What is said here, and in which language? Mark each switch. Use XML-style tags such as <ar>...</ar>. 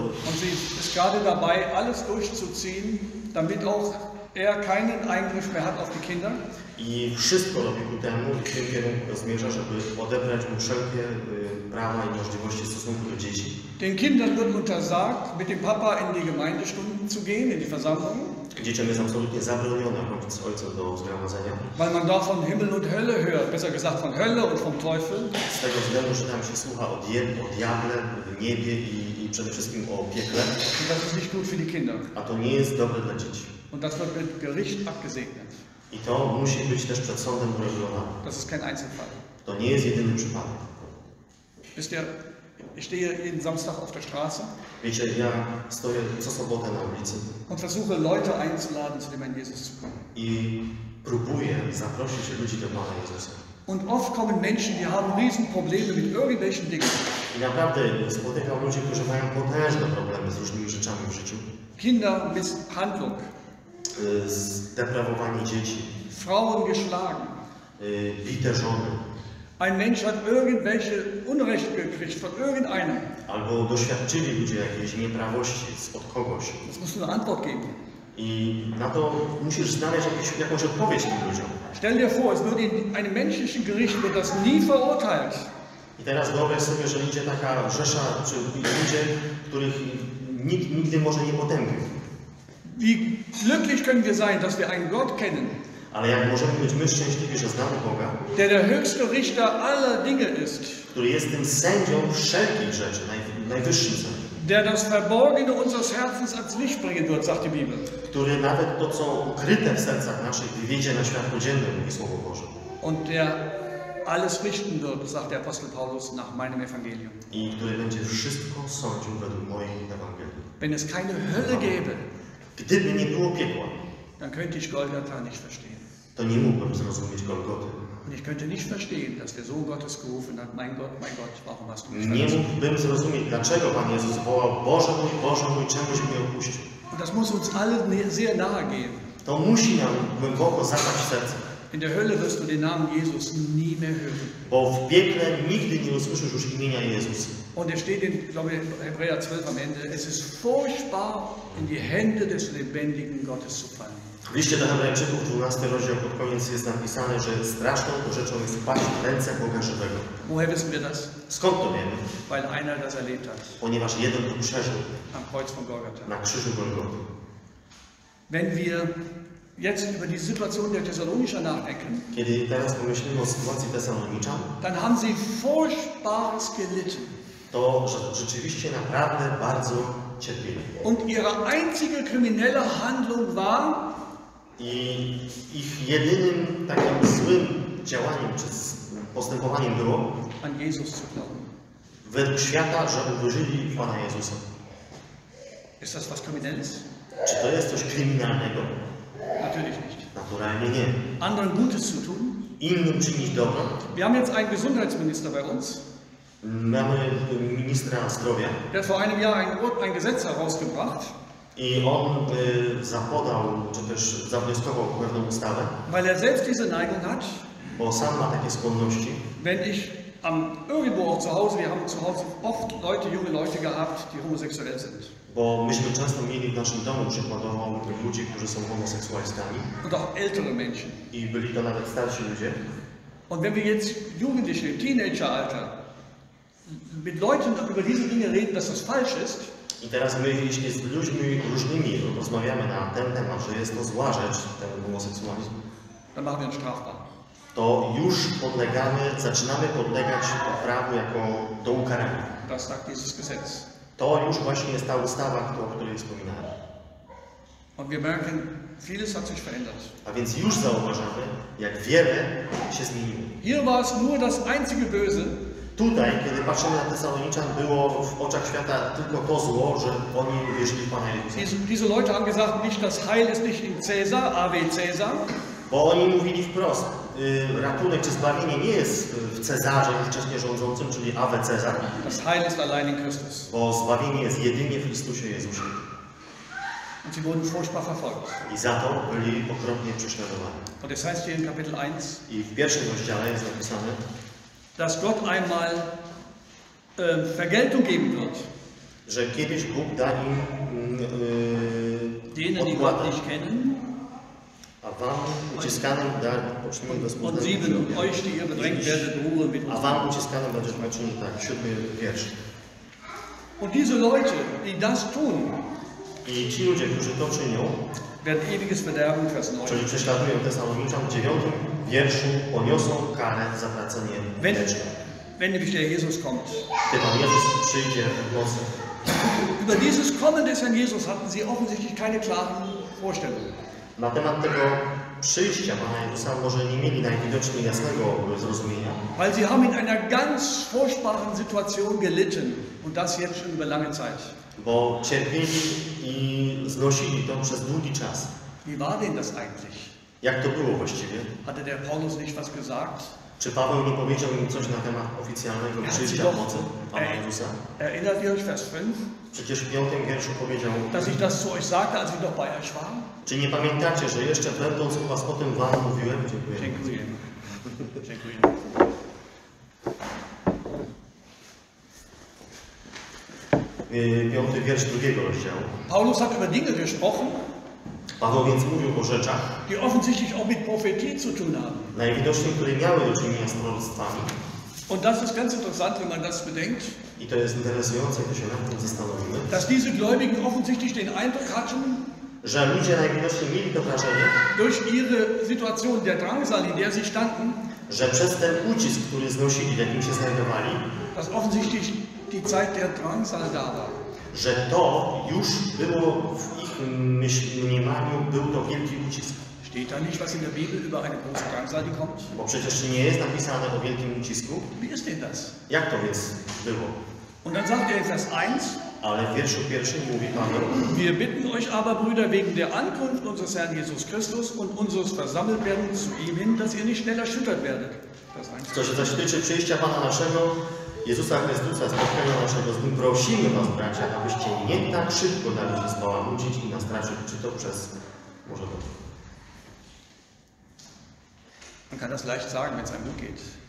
<de>Und sie ist gerade dabei, alles durchzuziehen, damit auch er keinen Eingriff mehr hat auf die Kinder.</de> <pl>I wszystko robi ku temu, w tym kierunku zmierza, żeby odebrać mu wszelkie prawa i możliwości w stosunku do dzieci.</pl> <de>Den Kindern wird untersagt, mit dem Papa in die Gemeindestunden zu gehen, in die Versammlung.</de> <pl>Dzieciom jest absolutnie zabronione chodzić z ojcem do zgromadzenia.</pl> <de>Weil man da von Himmel und Hölle hört, besser gesagt von Hölle und vom Teufel.</de> <pl>Z tego względu, że tam się słucha o diable, w niebie i przede wszystkim o piekle.</pl> <de>Und das ist nicht gut für die Kinder.</de> <pl>A to nie jest dobre dla dzieci.</pl> <de>Und das wird mit Gericht abgesegnet.</de> <pl>I to musi być też przed sądem uregulowane.</pl> <de>Das ist kein Einzelfall.</de> <pl>To nie jest jedyny przypadek.</pl> <de>Wisst ihr, ich stehe jeden Samstag auf der Straße.</de> <pl>Wiecie, ja stoję co sobotę na ulicy.</pl> <de>Und versuche Leute einzuladen, zu dem Jesus zu kommen.</de> <pl>I próbuję zaprosić ludzi do Pana Jezusa.</pl> <de>Und oft kommen Menschen, die haben riesen Probleme mit irgendwelchen Dingen.</de> <pl>I naprawdę spotykam ludzi, którzy mają potężne problemy z różnymi rzeczami w życiu.</pl> <de>Kinder bis Handlung.</de> <pl>Zdeprawowanie dzieci.</pl> <de>Frauen geschlagen.</de> <pl>Bite żony.</pl> <de>Ein Mensch hat irgendwelche Unrecht gekriegt von irgendeinem.</de> <pl>Albo doświadczyli ludzie jakiejś nieprawości od kogoś.</pl> <de>Das musst du eine Antwort geben.</de> <pl>I na to musisz znaleźć jakąś odpowiedź tym ludziom.</pl> <de>Stell dir vor, es wird in einem menschlichen Gericht wird das nie verurteilt.</de> <pl>I teraz wyobraź sobie, że idzie taka rzesza czy ludzie, których nikt nigdy może nie potępił.</pl> <de>Wie glücklich können wir sein, dass wir einen Gott kennen?</de> <pl>Ale jak możemy być my szczęśliwi, że znamy Boga?</pl> <de>Der höchste Richter aller Dinge ist.</de> <pl>Który jest tym sędzią wszelkich rzeczy, najwyższym sędzią.</pl> <de>Der das Verborgene unseres Herzens ans Licht bringen wird, sagt die Bibel.</de> <pl>Który nawet to, co ukryte w sercach naszych, wyjdzie na światło dzienne, mówi Słowo Boże.</pl> <de>Und der alles richten wird, sagt der Apostel Paulus nach meinem Evangelium.</de> <pl>I który będzie wszystko sądził według mojej Ewangelii.</pl> <de>Wenn es keine Hölle gäbe.</de> <pl>Gdyby nie było piekła,</pl> <de>dann könnte ich Golgatha nicht verstehen.</de> <pl>To nie mógłbym zrozumieć Golgoty.</pl> <de>Und ich könnte nicht verstehen, dass der Sohn Gottes gerufen hat, mein Gott, warum hast du mich verlassen?</de> <pl>Nie mógłbym zrozumieć, dlaczego Pan Jezus wołał, Boże mój, czemuś mnie opuścił?</pl> <de>Und das muss uns allen sehr nahe gehen.</de> <pl>To musi nam głęboko zapaść w serce.</pl> <de>In der Hölle wirst du den Namen Jesus nie mehr hören.</de> <pl>Bo w piekle nigdy nie usłyszysz już imienia Jezusa.</pl> <de>Und er steht in, glaube ich, Hebräer 12 am Ende, es ist furchtbar, in die Hände des lebendigen Gottes zu fallen.</de> <pl>W liście do Hebrajczyków, 12 rozdział, pod koniec jest napisane, że straszną rzeczą jest paść w ręce Boga żywego.</pl> <de>Woher wissen wir das?</de> <pl>Skąd to wiemy?</pl> <de>Weil einer das erlebt hat.</de> <pl>Ponieważ jeden to przeżył.</pl> <de>Am Kreuz von Golgatha.</de> <pl>Na krzyżu Golgoty.</pl> <de>Wenn wir jetzt über die Situation der Thessalonicher nachdenken,</de> <pl>kiedy teraz pomyślimy o sytuacji Thessalonicza,</pl> <de>dann haben sie furchtbares gelitten.</de> <pl>To rzeczywiście naprawdę bardzo cierpieli.</pl> <de>Und ihre einzige kryminelle Handlung war,</de> <pl>i ich jedynym takim złym działaniem czy postępowaniem było,</pl> <de>an Jezus zu glauben.</de> <pl>Według świata, że uwierzyli w Pana Jezusa.</pl> <de>Ist das was kriminelles?</de> <pl>Czy to jest coś kryminalnego?</pl> <de>Natürlich nicht.</de> <pl>Naturalnie nie.</pl> <de>Anderen Gutes zu tun?</de> <pl>Innym czynić dobro?</pl> <de>Wir haben jetzt einen Gesundheitsminister bei uns.</de> <pl>Mamy ministra zdrowia.</pl> <de>Der hat vor einem Jahr ein Gesetz herausgebracht.</de> <pl>I on zapodał, czy też zawnioskował pewną ustawę.</pl> <de>Weil er selbst diese Neigung hat.</de> <pl>Bo sam ma takie skłonności.</pl> <de>Wenn ich am irgendwo auch zu Hause, wir haben zu Hause oft Leute, junge Leute gehabt, die homoseksuell sind.</de> <pl>Bo myśmy często mieli w naszym domu przykładowo ludzi, którzy są homoseksualistami.</pl> <de>Und auch ältere Menschen.</de> <pl>I byli to nawet starsi ludzie.</pl> <de>Und wenn wir jetzt Jugendliche, Teenageralter, mit Leuten über diese Dinge reden, dass das falsch ist.</de> <pl>I teraz my, jeśli z ludźmi różnymi rozmawiamy na ten temat, że jest to zła rzecz, ten homoseksualizm,</pl> <de>dann machen wir einen Strafbar.</de> <pl>To już podlegamy, zaczynamy podlegać prawu jako do ukarania.</pl> <de>Das sagt dieses Gesetz.</de> <pl>To już właśnie jest ta ustawa, o której wspominamy.</pl> <de>Und wir merken, vieles hat sich verändert.</de> <pl>A więc już zauważamy, jak wiele się zmieniło.</pl> <de>Hier war es nur das einzige Böse.</de> <pl>Tutaj, kiedy patrzymy na Thessaloniczan, było w oczach świata tylko to zło, że oni uwierzyli w Pana Jezusa. Bo oni mówili wprost, ratunek czy zbawienie nie jest w Cezarze ówcześnie rządzącym, czyli Ave Cezar.</pl> <de>Das Heil ist allein in Christus.</de> <pl>Bo zbawienie jest jedynie w Chrystusie Jezusie.</pl> <de>Und sie wurden furchtbar verfolgt.</de> <pl>I za to byli okropnie prześladowani.</pl> <de>Und es heißt hier in Kapitel 1,</de> <pl>i w pierwszym rozdziale jest napisane,</pl> <de>dass Gott einmal Vergeltung geben wird.</de> <pl>Że kiedyś Bóg da im,</pl> <de>denen, die Gott nicht kennen.</de> <pl>A wam uciskanym da poczynił bezpośrednio.</pl> <de>Und euch, die ihr bedrängt werdet, Ruhe mit uns.</de> <pl>A wam uciskanym da też maczynił tak, siódmy wiersz.</pl> <de>Und diese Leute, die das tun,</de> <pl>i ci ludzie, którzy to czynią,</pl> <de>werden ewiges Verderben fressen euch.</de> <pl>Czyli prześladują Thessalonicza w dziewiątym wierszu, poniosą karę za pracenie wieczne.</pl> <de>Wenn nämlich der Jesus kommt.</de> <pl>Gdy Pan Jezus przyjdzie w głosy.</pl> <de>Über dieses Kommen des Herrn Jesus hatten sie offensichtlich keine klaren Vorstellungen.</de> <pl>Na temat tego przyjścia Pana Jezusa może nie mieli najwidoczniej jasnego zrozumienia.</pl> <de>Weil sie haben in einer ganz furchtbaren Situation gelitten. Und das jetzt schon über lange Zeit.</de> <pl>Bo cierpieli i znosili to przez długi czas.</pl> <de>Wie war denn das eigentlich?</de> <pl>Jak to było właściwie?</pl> <de>Hatte der Paulus nicht was gesagt?</de> <pl>Czy Paweł nie powiedział im coś na temat oficjalnego przyjścia mocy Pana Jezusa?</pl> <de>Erinnert ihr euch Vers 5?</de> <pl>Przecież w 5 wierszu powiedział,</pl> <de>dass ich das zu euch sagte, als ich noch bei euch war?</de> <pl>Czy nie pamiętacie, że jeszcze będąc u was o tym wam mówiłem? Dziękuję. Dziękuję. Dziękuję. Piąty wiersz drugiego rozdziału.</pl> <de>Paulus hat über Dinge gesprochen.</de> <pl>Paweł więc mówił o rzeczach,</pl> <de>die offensichtlich auch mit Prophetie zu tun haben.</de> <pl>Najwidoczniej, które miały do czynienia z proroctwami.</pl> <de>Und das ist ganz interessant, wenn man das bedenkt.</de> <pl>I to jest interesujące, gdy się nad tym zastanowimy.</pl> <de>Dass diese Gläubigen offensichtlich den Eindruck hatten,</de> <pl>że ludzie najwidoczniej mieli to wrażenie,</pl> <de>durch ihre Situation der Drangsal, in der sie standen,</de> <pl>że przez ten ucisk, który znosili, w jakim się znajdowali,</pl> <de>dass offensichtlich die Zeit der Drangsal da war.</de> <pl>Że to już było w ich mniemaniu, był to wielki ucisk.</pl> <de>Steht da nicht, was in der Bibel über eine große Drangsal, die kommt?</de> <pl>Bo przecież nie jest napisane o wielkim ucisku.</pl> <de>Wie ist denn das?</de> <pl>Jak to więc było?</pl> <de>Und dann sagt er in Vers 1,</de> <pl>Ale w wierszu pierwszym mówi Paweł:</pl> <de>Wir bitten euch aber, Brüder, wegen der Ankunft unseres Herrn Jesus Christus und unseres Versammeltwerdens zu ihm hin, dass ihr nicht schnell erschüttert werdet.</de> <pl>Co się zaś tyczy przyjścia Pana naszego, Jezusa Chrystusa, spotkania naszego z Nim, prosimy was, bracia, abyście nie tak szybko dali się zbałamucić i nastraszyć, czy to przez... może to...</pl> <de>Man kann das leicht sagen, wenn es einem gut geht.</de>